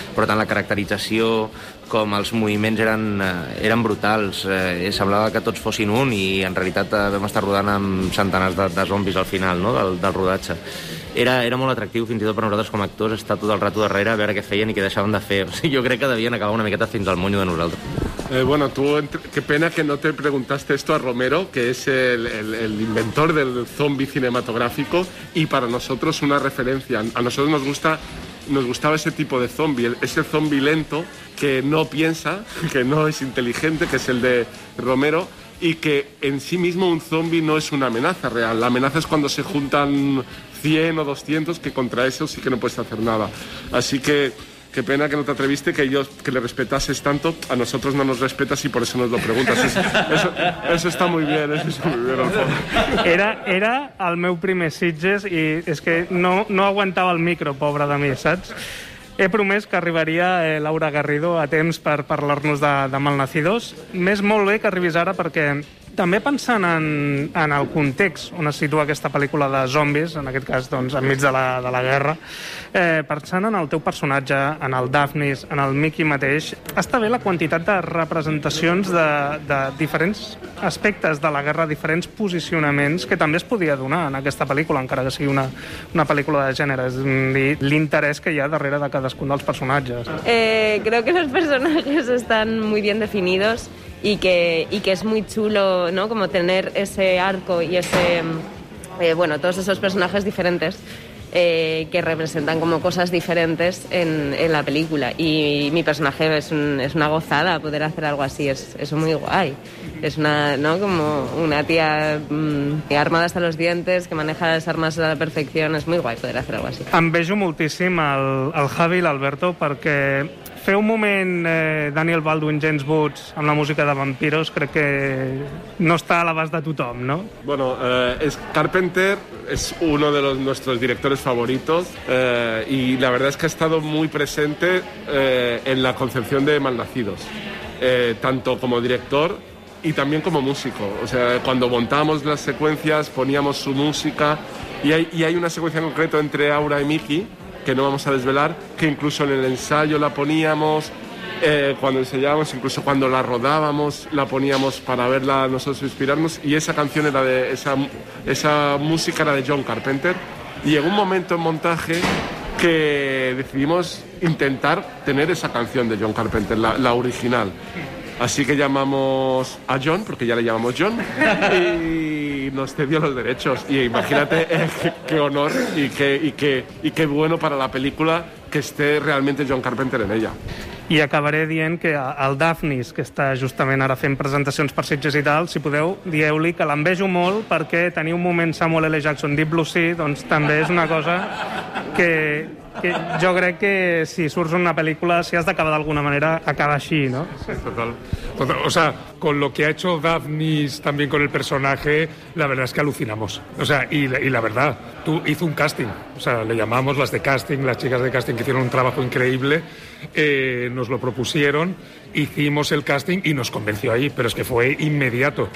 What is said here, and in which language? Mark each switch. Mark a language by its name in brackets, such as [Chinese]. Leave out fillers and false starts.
[Catalan] Però tant la caracterització com els moviments eren brutals. Semblava que tots fossin un i en realitat vam estar rodant amb centenars de zombis al final, no?, del rodatge. Era molt atractiu, fins i tot per nosaltres com a actors, estar tot el rato darrere a veure què feien i què deixaven de fer. O sigui, jo crec que devien acabar una miqueta fins al monyo de nosaltres. [Spanish] Bueno, tú, qué pena que no te preguntaste esto a Romero, que es el inventor del zombie cinematográfico y para nosotros una referencia. A nosotros nos gustaba ese tipo de zombie, ese zombie lento que no piensa, que no es inteligente, que es el de Romero, y que en sí mismo un zombie no es una amenaza real. La amenaza es cuando se juntan 100 o 200, que contra eso sí que no puedes hacer nada. Así que qué pena que no te atreviste, que le respetases tanto. A nosotros no nos respetas y por eso nos lo preguntas. Eso está muy bien, eso está muy bien, Alfonso. [Catalan] Era el meu primer Sitges i és que no aguantava el micro, pobre de mi, saps? He promès que arribaria Laura Garrido a temps per parlar-nos de Malnacidos. M'és molt bé que arribis ara perquè... També pensant en el context on es situa aquesta pel·lícula de zombis, en aquest cas, doncs, enmig de la guerra, pensant en el teu personatge, en el Daphnis, en el Mickey mateix, està bé la quantitat de representacions de diferents aspectes de la guerra, diferents posicionaments que també es podia donar en aquesta pel·lícula, encara que sigui una pel·lícula de gènere. És l'interès que hi ha darrere de cadascun dels personatges. [Spanish] Creo que los personajes están muy bien definidos. Y que es muy chulo, ¿no?, como tener ese arco y ese, bueno, todos esos personajes diferentes que representan como cosas diferentes en la película. Y mi personaje es una gozada poder hacer algo así, es muy guay. Es una, ¿no?, como una tía armada hasta los dientes, que maneja las armas a la perfección, es muy guay poder hacer algo así. [Catalan] Em vejo moltíssim al Javi i l'Alberto perquè... Fer un moment Daniel Baldwin, James Woods, amb la música de Vampiros, crec que no està a l'abast de tothom, no? [Spanish] Bueno, Carpenter es uno de nuestros directores favoritos y la verdad es que ha estado muy presente en la concepción de Malnacidos, tanto como director y también como músico. O sea, cuando montábamos las secuencias poníamos su música y hay una secuencia en concreto entre Aura y Mickey que no vamos a desvelar, que incluso en el ensayo la poníamos, cuando ensayábamos, incluso cuando la rodábamos, la poníamos para verla nosotros inspirarnos, y esa canción era de... Esa música era de John Carpenter. Y llegó un momento en montaje que decidimos intentar tener esa canción de John Carpenter, la original. Así que llamamos a John, porque ya le llamamos John, y nos cedió los derechos. Y imagínate qué honor y qué bueno para la película que esté realmente John Carpenter en ella. [Catalan] I acabaré dient que el Daphnis, que està justament ara fent presentacions per Sitges i tal, si podeu, dieu-li que l'envejo molt perquè tenir un moment Samuel L. Jackson Deep Blue Sea, doncs també és una cosa que jo crec que si surts una pel·lícula, si has d'acabar d'alguna manera, acaba així, no? [Spanish] Sí, total. O sea, con lo que ha hecho Daphnis también con el personaje, la verdad es que alucinamos. O sea, y la verdad, tú hizo un casting. O sea, le llamamos las de casting, las chicas de casting que hicieron un trabajo increíble, nos lo propusieron, hicimos el casting y nos convenció ahí, pero es que fue inmediato.